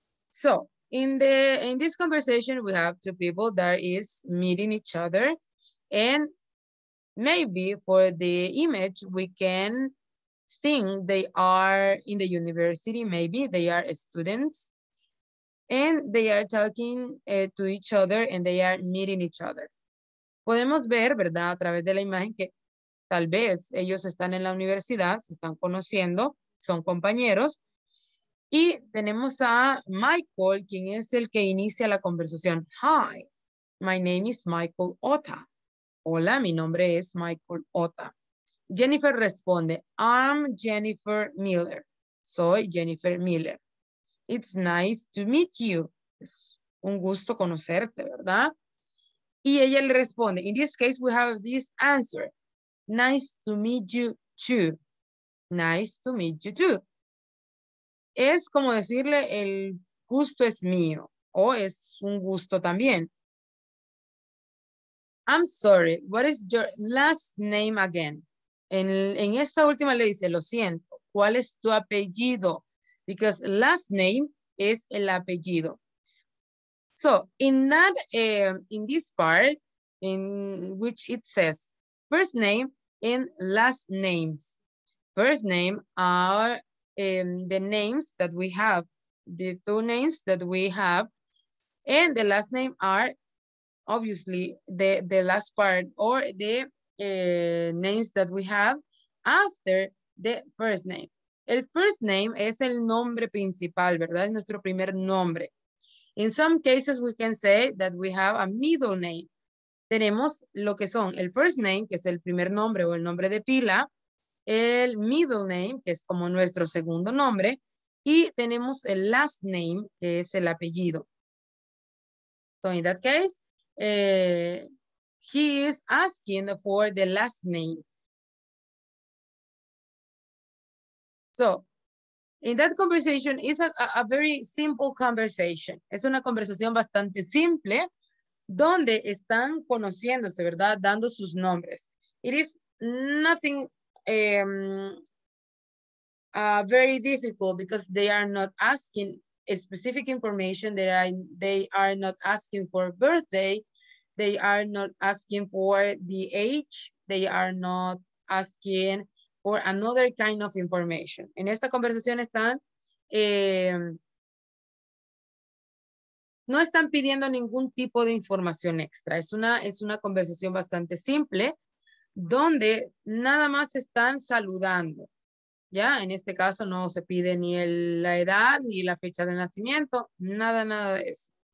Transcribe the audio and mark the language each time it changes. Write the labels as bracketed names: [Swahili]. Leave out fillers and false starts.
[English] So, in this conversation, we have two people that is meeting each other, and maybe for the image, we can think they are in the university, maybe they are students, and they are talking to each other and they are meeting each other. [Spanish] Podemos ver, ¿verdad?, a través de la imagen que tal vez ellos están en la universidad, se están conociendo, son compañeros, y tenemos a Michael, quien es el que inicia la conversación. [English] Hi, my name is Michael Ota. [Spanish] Hola, mi nombre es Michael Ota. Jennifer responde, [English] I'm Jennifer Miller. [Spanish] Soy Jennifer Miller. [English] It's nice to meet you. [Spanish] Es un gusto conocerte, ¿verdad? Y ella le responde, [English] in this case, we have this answer. Nice to meet you too. Nice to meet you too. [Spanish] Es como decirle, el gusto es mío. O es un gusto también. [English] I'm sorry, what is your last name again? [Spanish] En esta última le dice, lo siento, ¿cuál es tu apellido? [English] Because last name [Spanish] es el apellido. [English] So, in this part, which it says, first name and last names. First name are the names that we have, the two names that we have, and the last name are obviously the last part or the names that we have after the first name. [Spanish] El first name es el nombre principal, ¿verdad? Es nuestro primer nombre. [English] In some cases we can say that we have a middle name. [Spanish] Tenemos lo que son el first name, que es el primer nombre o el nombre de pila, el middle name, que es como nuestro segundo nombre, y tenemos el last name, que es el apellido. [English] So in that case, he is asking for the last name. So, in that conversation, it's a very simple conversation. [Spanish] Es una conversación bastante simple donde están conociéndose, ¿verdad? Dando sus nombres. [English] It is nothing very difficult because they are not asking specific information. They are not asking for birthday. They are not asking for the age. They are not asking for another kind of information. [Spanish] En esta conversación están, no están pidiendo ningún tipo de información extra. Es una conversación bastante simple donde nada más están saludando. Ya, en este caso no se pide ni la edad ni la fecha de nacimiento, nada de eso.